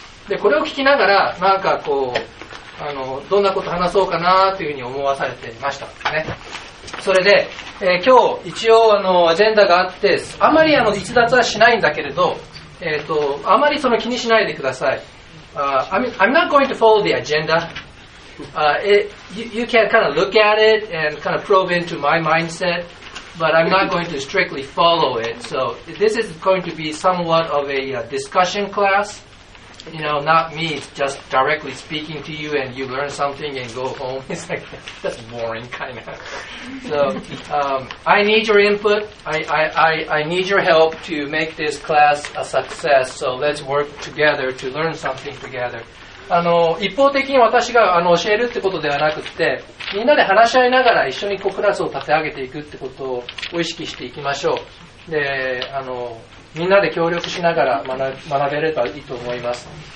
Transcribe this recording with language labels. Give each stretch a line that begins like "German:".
Japanese: でこれを聞きながらなんかこうあのどんなこと話そうかなというふうに思わされていましたね。それで、今日一応あのアジェンダがあってあまりあの逸脱はしないんだけれど、あまりその気にしないでください。
English: I'm not going to follow the agenda. You can kind of look at it and kind of probe into my mindset, but I'm not going to strictly follow it. So this is going to be somewhat of a discussion class. You know, not me just directly speaking to you and you learn something and go home. It's like, that's boring, kind of. So, I need your input. I need your help to make this class a success. So let's work together to learn something together.
Japanese: あの、一方的に私があの教えるってことではなくて、みんなで話し合いながら一緒にこうクラスを立て上げていくってことを意識していきましょう。で、あの、みんなで協力しながら学べればいいと思います。